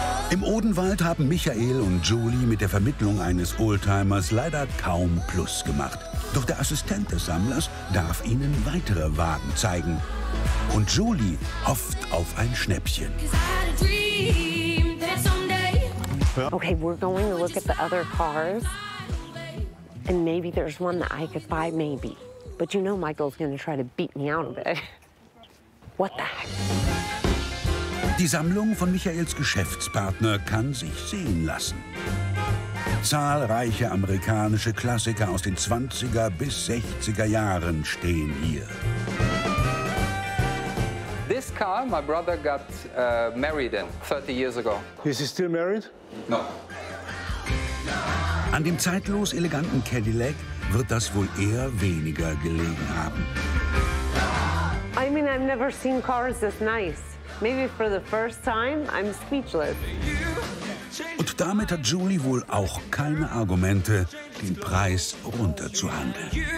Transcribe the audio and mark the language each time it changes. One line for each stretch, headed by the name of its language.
German: Im Odenwald haben Michael und Julie mit der Vermittlung eines Oldtimers leider kaum Plus gemacht. Doch der Assistent des Sammlers darf ihnen weitere Wagen zeigen. Und Julie hofft auf ein Schnäppchen.
English: Okay, we're going to look at the other cars. And maybe there's one that I could buy, maybe. But you know Michael's gonna try to beat me out of it. What the heck?
German: Die Sammlung von Michaels Geschäftspartner kann sich sehen lassen. Zahlreiche amerikanische Klassiker aus den 20er bis 60er Jahren stehen hier.
English: This car my brother got married in 30 years ago. Is he still married? No.
German: An dem zeitlos eleganten Cadillac wird das wohl eher weniger gelegen haben.
English: I mean, I've never seen cars this nice. Maybe for the first time, I'm speechless.
German: Und damit hat Julie wohl auch keine Argumente, den Preis runterzuhandeln.